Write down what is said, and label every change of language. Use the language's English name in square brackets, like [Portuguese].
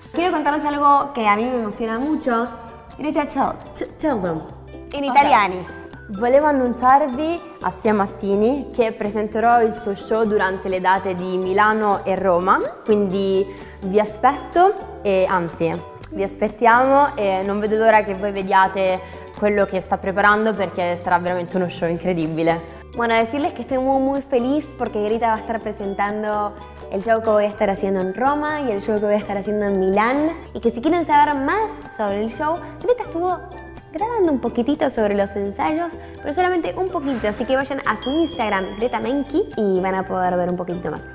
[Spanish] Quiero contaros algo que a mí me emociona mucho. [English] Greta, tell them. [Italian] In italiani. [English] Okay. [Italian] Volevo annunciarvi a Sia Mattini che presenterò il suo show durante le date di Milano e Roma. Quindi vi aspetto e anzi, vi aspettiamo e non vedo l'ora che voi vediate quello che sta preparando perché sarà veramente uno show incredibile. [Spanish] Bueno, decirles que estoy muy muy feliz porque Greta va a estar presentando el show que voy a estar haciendo en Roma y el show que voy a estar haciendo en Milán. Y que si quieren saber más sobre el show, Greta estuvo grabando un poquitito sobre los ensayos, pero solamente un poquito. Así que vayan a su Instagram, Greta Menchi, y van a poder ver un poquito más.